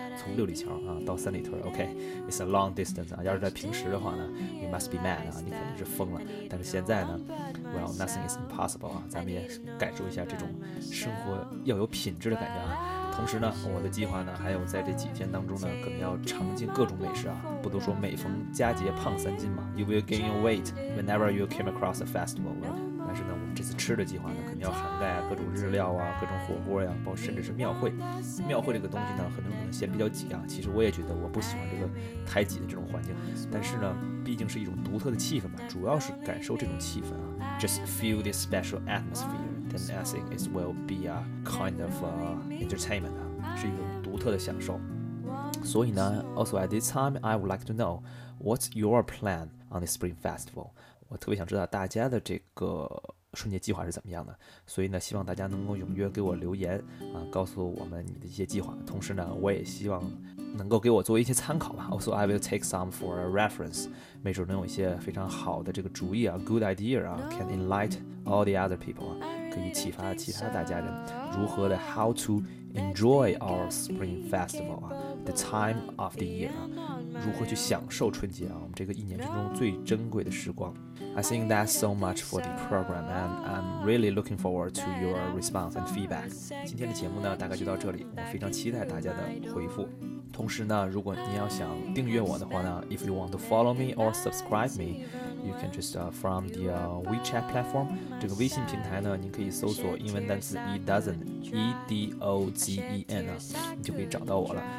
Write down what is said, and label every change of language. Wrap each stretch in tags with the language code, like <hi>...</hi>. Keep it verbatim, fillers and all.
<zh>从六里桥啊到三里屯 ，</zh> <en>OK，it's a long distance</en> <zh>啊。要是在平时的话呢 ，</zh> <en>you must be mad</en> <zh>啊，你肯定是疯了。但是现在呢 ，</zh> <en>well nothing is impossible</en> <zh>啊，咱们也感受一下这种生活要有品质的感觉啊。同时呢，我的计划呢，还有在这几天当中呢，可能要尝尽各种美食啊。不都说每逢佳节胖三斤嘛</zh> <en>？You will gain your weight whenever you came across a festival.</en> <zh>但是呢，我们这次吃的计划呢，肯定要涵盖啊各种日料啊、各种火锅呀、啊，包括甚至是庙会。庙会这个东西呢，很多人可能嫌比较挤啊。其实我也觉得我不喜欢这个太挤的这种环境，但是呢，毕竟是一种独特的气氛嘛，主要是感受这种气氛啊。</zh> <en>Just feel this special atmosphere. Then I think it will be a kind of a entertainment</en> <zh>啊，是一种独特的享受。所以呢</zh> <en>，also at this time, I would like to know what's your plan on the Spring Festival.</en> <zh>我特别想知道大家的这个春节计划是怎么样的，所以呢希望大家能够踊跃给我留言啊，告诉我们你的一些计划，同时呢我也希望能够给我做一些参考吧。</zh> <en>Also I will take some for a reference，</en> <zh>没准能有一些非常好的这个主意啊， good idea 啊，</zh> <en>can enlighten all the other people</en> <zh>啊，可以启发其他大家人如何的</zh> <en>how to enjoy our spring festival</en> <zh>啊，</zh> <en>the time of the year</en> <zh>啊，如何去享受春节啊，我们这个一年之中最珍贵的时光。</zh> <en>I think that's so much for the program, and I'm really looking forward to your response and feedback.</en> <zh>今天的节目呢，大概就到这里，我非常期待大家的回复。同时呢，如果你要想订阅我的话呢</zh> <en>，if you want to follow me or subscribe me, you can just、uh, from the、uh, WeChat platform.</en> <zh>这个微信平台呢，你可以搜索英文单词 e-dozen, e-d-o-z-e-n 啊，你就可以找到我了。</zh>